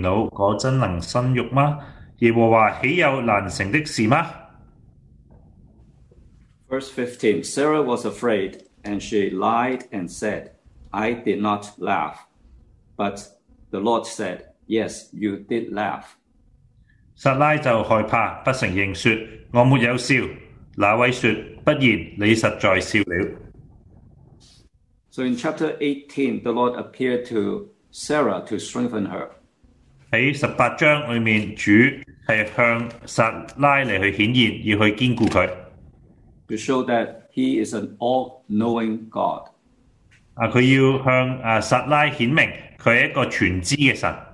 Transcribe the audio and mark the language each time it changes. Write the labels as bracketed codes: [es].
[zh] 13節，耶和華對亞伯拉罕說：撒拉為什麼暗笑，說我既已年老，果真能生育嗎？耶和華豈有難成的事嗎？ [en] Verse 15, Sarah was afraid, and she lied and said, I did not laugh. But the Lord said, yes, you did laugh. [zh] 撒拉就害怕，不承認說：我沒有笑。那位說：不然，你實在笑了。 [en] So in chapter 18, the Lord appeared to Sarah to strengthen her. [zh] 在18章裡面, 主是向撒拉來去顯現, 要去堅固他。 [en] To show that he is an all-knowing God. [zh] 他要向, 撒拉顯明, 他是一個全知的神。